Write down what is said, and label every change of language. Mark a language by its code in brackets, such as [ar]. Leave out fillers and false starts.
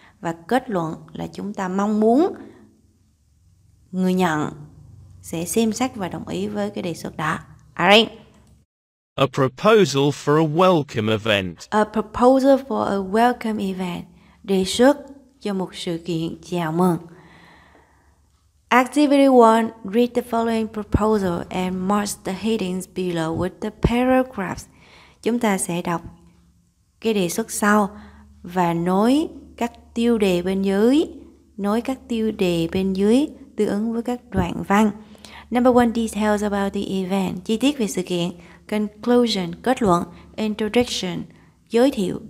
[vi] Và kết luận là chúng ta mong muốn người nhận sẽ xem xét và đồng ý với cái đề xuất đó. [en] Alright. A proposal for a welcome event. A proposal for a welcome event. [vi] Đề xuất cho một sự kiện chào mừng. [en] Activity 1. Read the following proposal and mark the headings below with the paragraphs. [vi] Chúng ta sẽ đọc cái đề xuất sau và nối các tiêu đề bên dưới. Tương ứng với các đoạn văn. [en] Number 1, details about the event, [vi] chi tiết về sự kiện. Conclusion, kết luận. Introduction, giới thiệu.